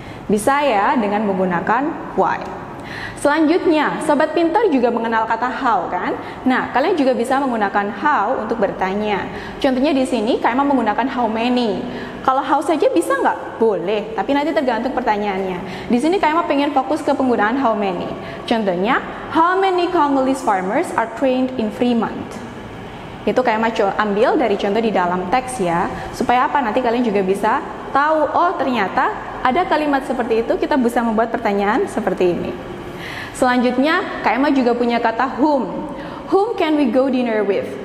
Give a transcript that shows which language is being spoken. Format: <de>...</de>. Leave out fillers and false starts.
<id>Bisa ya dengan menggunakan why. Selanjutnya, sobat pintar juga mengenal kata how kan? Nah, kalian juga bisa menggunakan how untuk bertanya. Contohnya di sini, Kak Emma menggunakan how many. Kalau how saja bisa nggak? Boleh, tapi nanti tergantung pertanyaannya. Di sini Kak Emma pengen fokus ke penggunaan how many. Contohnya,</id> <en>how many Congolese farmers are trained in Fremont?</en> <id>Itu Kak Emma ambil dari contoh di dalam teks ya. Supaya apa? Nanti kalian juga bisa tahu, oh ternyata ada kalimat seperti itu, kita bisa membuat pertanyaan seperti ini. Selanjutnya, Kak Emma juga punya kata whom.</id> <en>Whom can we go dinner with?</en>